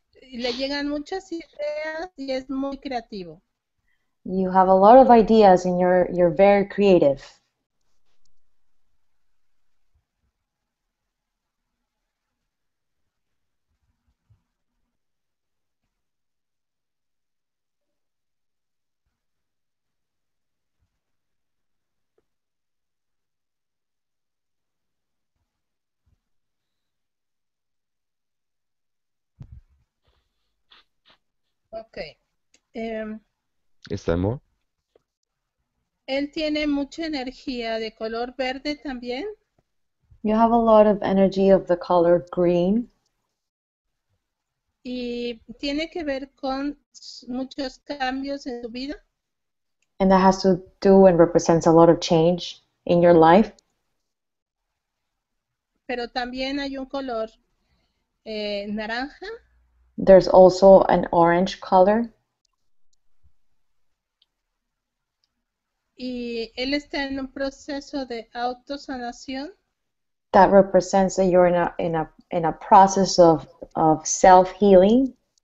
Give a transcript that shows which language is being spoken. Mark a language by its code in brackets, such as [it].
[es] Le llegan muchas ideas y es muy creativo. [en] You have a lot of ideas and you're very creative. Okay. [es] ¿Está en modo? Él tiene mucha energía de color verde también. [en] You have a lot of energy of the color green. [es] ¿Y tiene que ver con muchos cambios en tu vida? [en] And that has to do and represents a lot of change in your life. [es] Pero también hay un color naranja. [en] There's also an orange color. [es] Y él está en un proceso de autosanación. [en] That represents that you're in a process of self-healing.